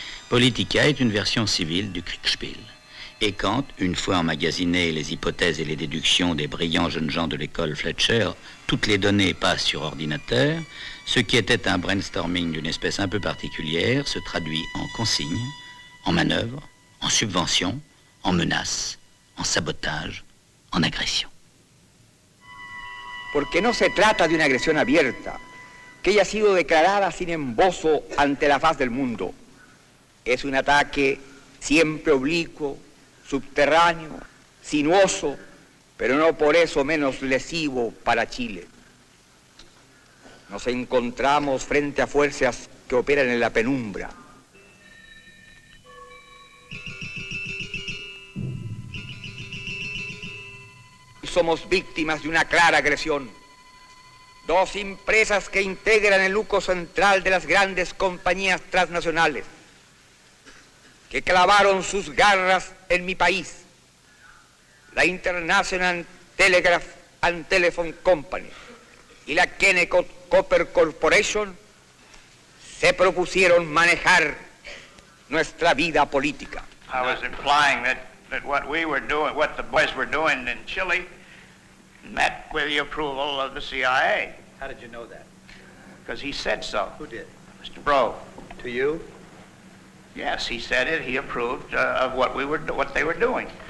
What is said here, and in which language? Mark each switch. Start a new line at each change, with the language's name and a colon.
French: Politica est une version civile du Kriegsspiel. Et quand, une fois emmagasinées les hypothèses et les déductions des brillants jeunes gens de l'école Fletcher, toutes les données passent sur ordinateur, ce qui était un brainstorming d'une espèce un peu particulière se traduit en consignes, en manœuvres, en subventions, en menaces, en sabotage, en agressions.
Spanish: Porque no se trata de una agresión abierta que haya sido declarada sin embozo ante la faz del mundo. Es un ataque siempre oblicuo, subterráneo, sinuoso, pero no por eso menos lesivo para Chile. Nos encontramos frente a fuerzas que operan en la penumbra. Somos víctimas de una clara agresión. Dos empresas que integran el lujo central de las grandes compañías transnacionales, que clavaron sus garras en mi país, la International Telegraph and Telephone Company y la Kennecott Copper Corporation, se propusieron manejar nuestra vida política.
English: I was implying that what we were doing, what the boys were doing in Chile, met with the approval of the CIA. How did you know that? Because he said so. Who did? Mr. Bro. To you? Yes, he said it. He approved of what they were doing.